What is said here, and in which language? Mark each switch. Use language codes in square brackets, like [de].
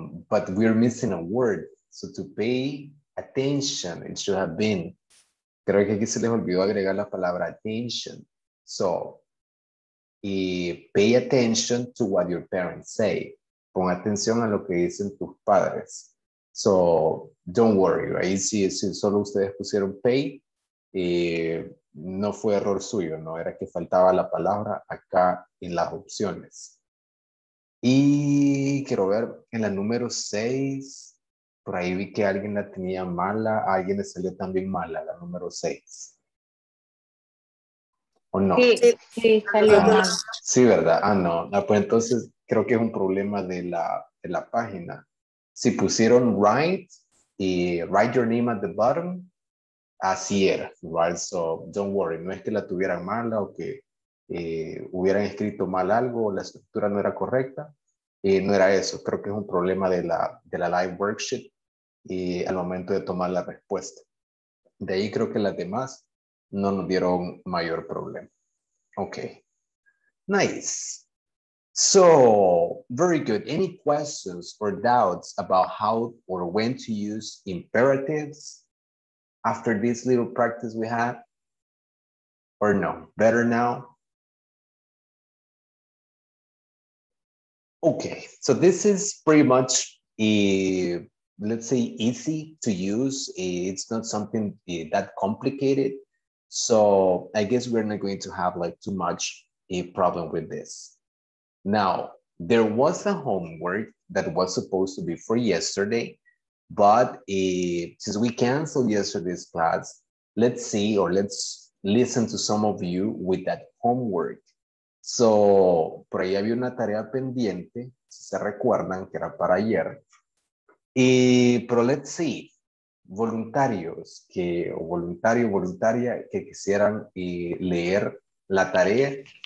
[en] But we're missing a word. So to pay attention, it should have been. [es] Creo que aquí se les olvidó agregar la palabra attention. [en] So pay attention to what your parents say. [es] Pon atención a lo que dicen tus padres. So don't worry, right? Si solo ustedes pusieron pay, no fue error suyo, no era que faltaba la palabra acá en las opciones. Y quiero ver en la número 6, por ahí vi que alguien la tenía mala, alguien le salió también mala, la número 6. ¿O no? Sí, salió mala. Sí, ¿verdad? Ah, no. Pues entonces creo que es un problema de la página. [en] Si pusieron write y write your name at the bottom, así era, right? [es] So don't worry, no es que la tuvieran mala o que hubieran escrito mal algo o la estructura no era correcta, no era eso, creo que es un problema de la live worksheet y al momento de tomar la respuesta. De ahí creo que las demás no nos dieron mayor problema. [en] Ok, nice. So, very good. Any questions or doubts about how or when to use imperatives after this little practice we had, or no? Better now? Okay, so this is pretty much, let's say, easy to use. It's not something that complicated. So I guess we're not going to have like too much a problem with this. Now, there was a homework that was supposed to be for yesterday. But since we canceled yesterday's class, let's see or let's listen to some of you with that homework. [es] So, por ahí había una tarea pendiente, si se recuerdan, que era para ayer. Pero let's see, voluntaria que quisieran leer la tarea.